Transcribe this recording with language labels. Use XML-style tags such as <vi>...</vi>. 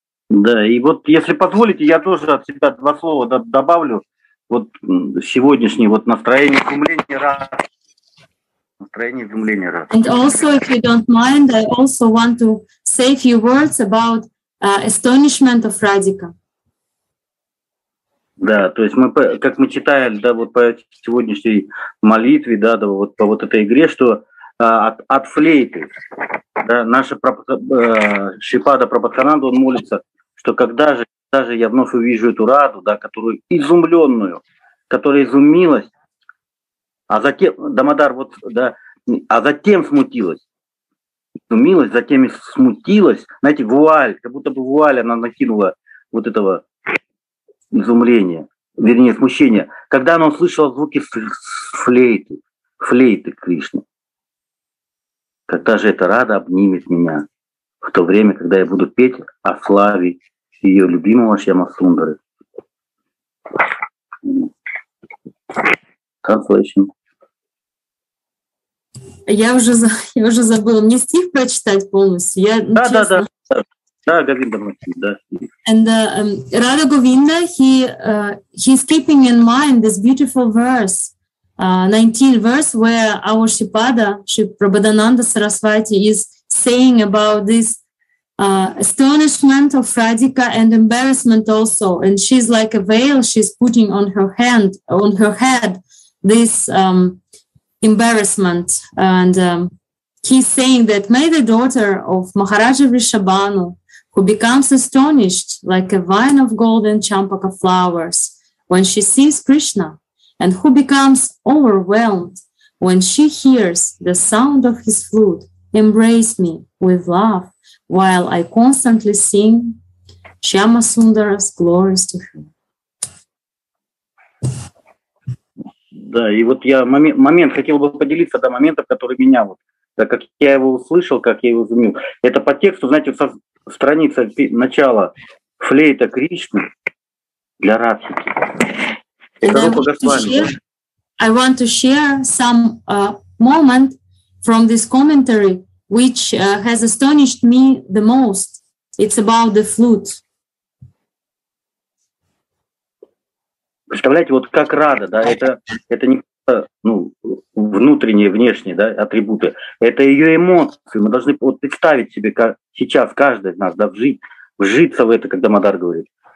<ru>Да, и вот если позволите, я тоже от себя два слова добавлю. Вот сегодняшнее вот настроение изумления радости. Настроение изумления радости.</ru> <en>And also, if you don't mind, I also want to say a few words about astonishment of Radhika.</en> <ru>Да, то есть мы, как мы читали, да, вот по сегодняшней молитве, да, вот по вот этой игре, что от флейты, да, наша Шипада Прабхатхананда, он молится, что когда же даже я вновь увижу эту Раду, да, которую изумленную, которая изумилась, а затем, Дамодар, вот, да, а затем смутилась. Изумилась, затем и смутилась. Знаете, вуаль, как будто бы вуаль она накинула вот этого изумления, вернее, смущения, когда она услышала звуки флейты, флейты Кришны. Когда же эта Рада обнимет меня в то время, когда я буду петь о славе ее любимого Шьямасундары.</ru> <en>Translation.</en> <ru>Я уже забыла. Мне стих прочитать полностью. Да. Да, Говинда Махарадж, да.</ru> <en>And Radha Govinda, he's keeping in mind this beautiful verse. 19 verse where our Shripada, Shri Prabhadananda Sarasvati, is saying about this astonishment of Radhika and embarrassment also. And she's like a veil, she's putting on her hand, on her head, this embarrassment. And he's saying that may the daughter of Maharaja Vrishabhanu, who becomes astonished like a vine of golden champaka flowers when she sees Krishna, and who becomes overwhelmed when she hears the sound of his flute, embrace me with love while I constantly sing Shyamasundara's glories to him.</en> <ru>Да, и вот я момент хотел бы поделиться, да, моментом, который меня вот, да, как я его услышал, как я его изумил. Это по тексту, знаете, со страницы начала флейта Кришны для Радхики.</ru> <en>I want to share some moment from this commentary, which has astonished me the most. It's about the flute.</en> <ru>Представляете, вот как Рада, да? Это не ну, внутренние, внешние, да, атрибуты. Это ее эмоции. Мы должны вот представить себе, как сейчас каждый из нас, да, вжиться в это, как Дамодар говорит.</ru>